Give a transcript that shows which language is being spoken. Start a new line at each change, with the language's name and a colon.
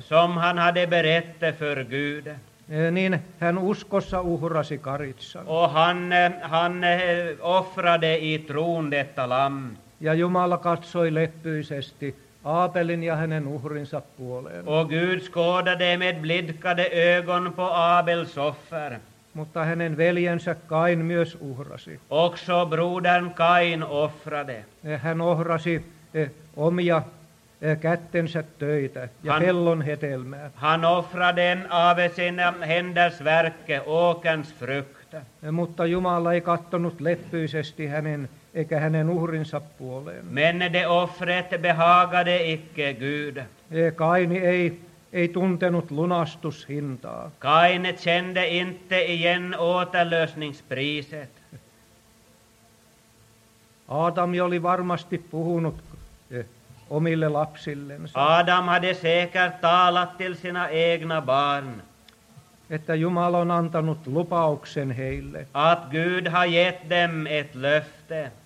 Swedish: Som han hade berätt för Gud.
Finnish: Niin hän uskossa uhrasi karitsan.
Swedish: Och han offrade i tron detta lamm.
Finnish: Ja Jumala katsoi leppyisesti Aabelin ja hänen uhrinsa puoleen.
Swedish: Och Gud skådade med blidkade ögon på Abels offer.
Finnish: Mutta hänen veljensä Kain myös uhrasi.
Swedish: Också brodern Kain offrade.
Finnish: Hän uhrasi omia kättensä töitä ja pellon hetelmää.
Swedish: Han offrade av sina händers verk åkerns frukt.
Finnish: Mutta Jumala ei kattonut leppyisesti hänen eikä hänen uhrinsa puoleen.
Swedish: Men det offret behagade icke Gud.
Finnish: Kaini ei tuntenut lunastushintaa.
Swedish: Kain kände inte igen återlösningspriset.
Finnish: Adam oli varmasti puhunut omille lapsillensa.
Swedish: Adam hade säkert talat till sina egna barn.
Finnish: Että Jumala on antanut lupauksen heille.
Swedish: Att Gud har gett dem ett löfte.